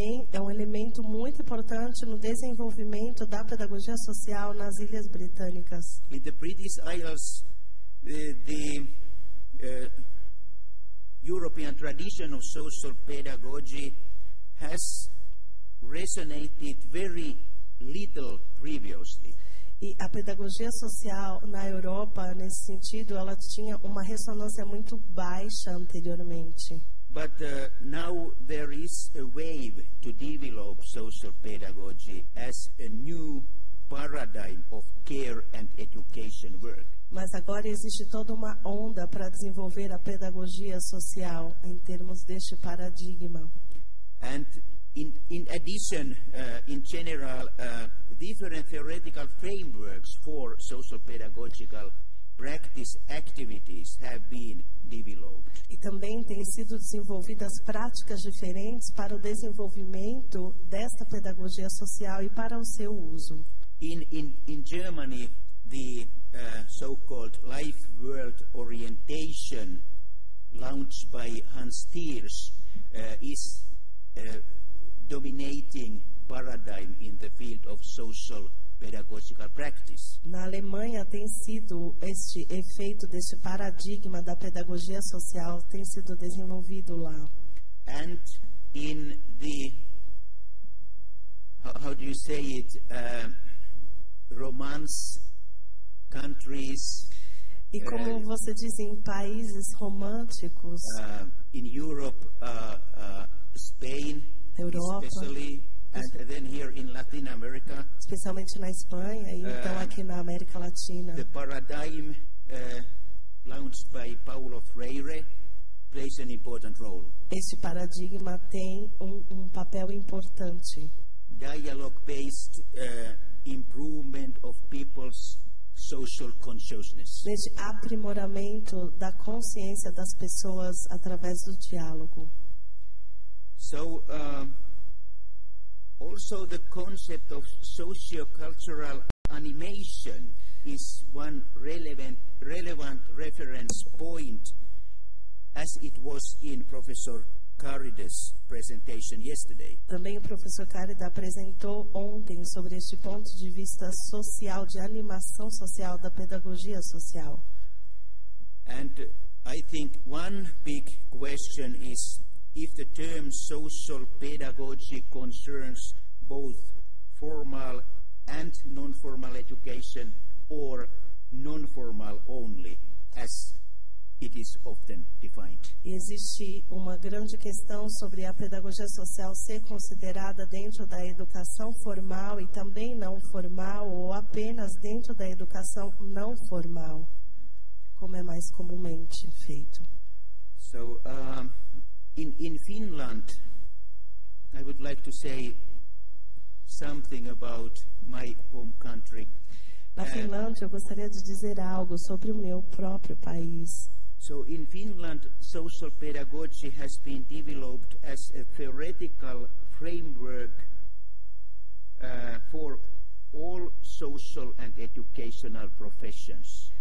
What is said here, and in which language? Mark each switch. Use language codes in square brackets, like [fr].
[pt] É um elemento muito importante no desenvolvimento da pedagogia social nas Ilhas Britânicas. [en] In the British Isles, the European tradition of social pedagogy has resonated very little previously. [pt] E a pedagogia social na Europa, nesse sentido, ela tinha uma ressonância muito baixa anteriormente. [en] But now there is a wave to develop social pedagogy as a new paradigm of care and education work. [pt] Mas agora existe toda uma onda para desenvolver a pedagogia social em termos deste paradigma. [en] And in addition, in general, different theoretical frameworks for social pedagogical practice activities have been developed. [pt] E também têm sido desenvolvidas práticas diferentes para o desenvolvimento desta pedagogia social e para o seu uso. [en] In Germany, the so-called life world orientation launched by Hans Thiers is dominating paradigm in the field of social pedagogical practice. [pt] Na Alemanha tem sido este efeito deste paradigma da pedagogia social tem sido desenvolvido lá. [en] And in the how do you say it romance countries. [pt] E como você diz em países românticos? [en] In Europe, Spain, [pt] Europa, [en] especially, and then here in Latin America. [pt] Especialmente na Espanha e então aqui na América Latina. [en] The paradigm launched by Paulo Freire plays an important role. [pt] Esse paradigma tem um papel importante. [en] Dialogue-based improvement of people's social consciousness. [pt] Desde aprimoramento da consciência das pessoas através do diálogo. [en] So, also the concept of sociocultural animation is one relevant reference point, as it was in Professor Caridas' presentation yesterday. [pt] Também o professor Caridas apresentou ontem sobre este ponto de vista social, de animação social, da pedagogia social. [en] And I think one big question is if the term social pedagogy concerns both formal and non-formal education or non-formal only, as it is often defined. [pt] Existe uma grande questão sobre a pedagogia social ser considerada dentro da educação formal e também não formal ou apenas dentro da educação não formal, como é mais comumente feito. [en] So, in Finland, I would like to say something about my home country. [pt] Na Finlândia, eu gostaria de dizer algo sobre o meu próprio país. [en] So in Finland, social pedagogy has been developed as a theoretical framework for all social and educational professions.